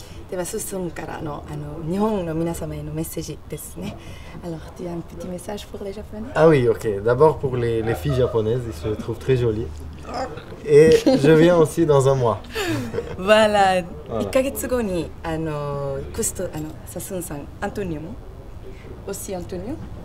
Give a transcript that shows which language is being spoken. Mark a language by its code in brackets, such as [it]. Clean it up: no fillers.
[ja] ではスッソンからの、あの日本の皆様へのメッセージですね。 [fr] Alors, tu as un petit message pour les Japonais? Ah oui, ok. D'abord pour les filles japonaises, ils se trouvent très jolies. Et je viens aussi dans un mois. Voilà. Voilà. [ja] 1ヶ月後に、あの、クスト、あの、サスンさん、アントニオも [fr] Aussi Antonio?